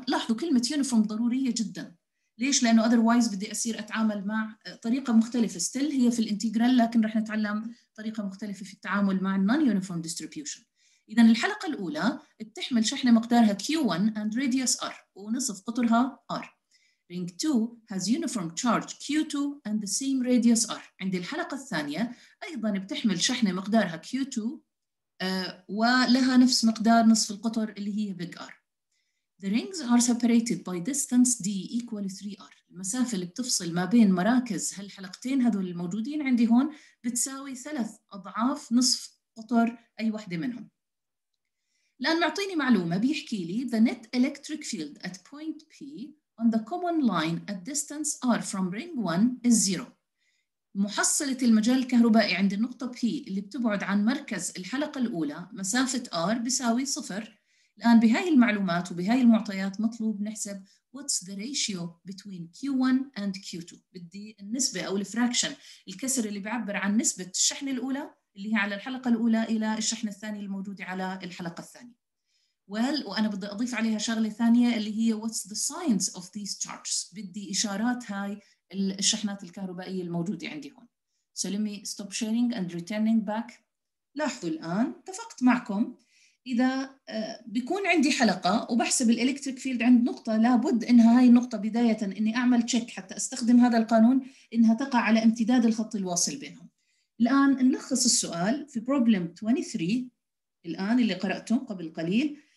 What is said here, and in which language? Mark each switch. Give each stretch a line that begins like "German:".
Arabic: لاحظوا كلمة uniform ضرورية جدا. ليش؟ لأنه otherwise بدي أصير أتعامل مع طريقة مختلفة. Still هي في الانتجرال لكن رح نتعلم طريقة مختلفة في التعامل مع non-uniform distribution. إذن الحلقة الأولى بتحمل شحنة مقدارها Q1
English: and radius R
Arabic: ونصف قطرها R.
English: Ring 2 has uniform charge Q2 and the same radius R.
Arabic: عندي الحلقة الثانية أيضا بتحمل شحنة مقدارها Q2 ولها نفس مقدار نصف القطر اللي هي big R.
English: The rings are separated by distance D equal 3R.
Arabic: المسافة اللي بتفصل ما بين مراكز هالحلقتين هذول الموجودين عندي هون بتساوي ثلاث أضعاف نصف قطر أي واحدة منهم. الآن معطيني معلومة بيحكي لي
English: the net electric field at point P on the common line at distance R from ring 1 is zero.
Arabic: محصلة المجال الكهربائي عند النقطة P اللي بتبعد عن مركز الحلقة الأولى مسافة R بساوي صفر. الآن بهاي المعلومات وبهاي المعطيات مطلوب نحسب
English: what's the ratio between Q1 and Q2.
Arabic: بدي النسبة أو الفراكشن الكسر اللي بيعبر عن نسبة الشحنة الأولى اللي هي على الحلقة الأولى إلى الشحنة الثانية الموجودة على الحلقة الثانية. Well, وأنا بدي أضيف عليها شغلة ثانية اللي هي
English: what's the signs of these charges.
Arabic: بدي إشارات هاي الشحنات الكهربائية الموجودة عندي هون.
English: So let me stop sharing and returning back.
Arabic: لاحظوا الآن اتفقت معكم إذا بيكون عندي حلقة وبحسب الإلكتريك فيلد عند نقطة لابد إن هاي النقطة بداية إني أعمل تشيك حتى أستخدم هذا القانون إنها تقع على امتداد الخط الواصل بينهم. الآن نلخص السؤال في problem 23 الآن اللي قرأته قبل قليل.